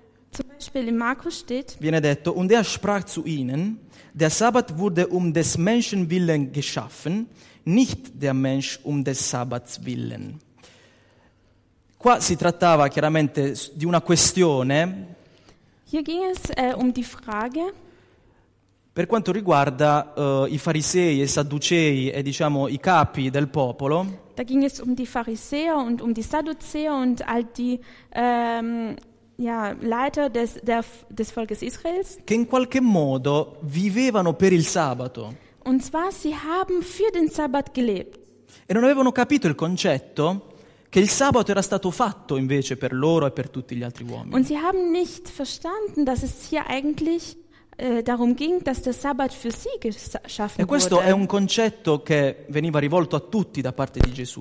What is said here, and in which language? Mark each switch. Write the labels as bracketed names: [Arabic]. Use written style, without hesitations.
[German] zum Beispiel in Markus steht, [Italian] viene detto, [German] und er sprach zu ihnen, der Sabbat wurde um des Menschen willen geschaffen, nicht der Mensch um des Sabbats willen. [Italian] Qua si trattava chiaramente di una questione. [German] Hier ging es um die Frage. [Italian] Per quanto riguarda i farisei e i sadducei e diciamo i capi del popolo. [German] Da ging es um die Pharisäer und um die Sadduzäer und all die Leiter des Volkes Israels. [Italian] Che in qualche modo vivevano per il sabato. [German] Und zwar sie haben für den Sabbat gelebt. [Italian] E non avevano capito il concetto che il sabato era stato fatto invece per loro e per tutti gli altri uomini. [German] Und sie haben nicht verstanden, dass es hier eigentlich darum ging, dass der Sabbat für sie geschaffen wurde. [Italian] E questo è un concetto che veniva rivolto a tutti da parte di Gesù.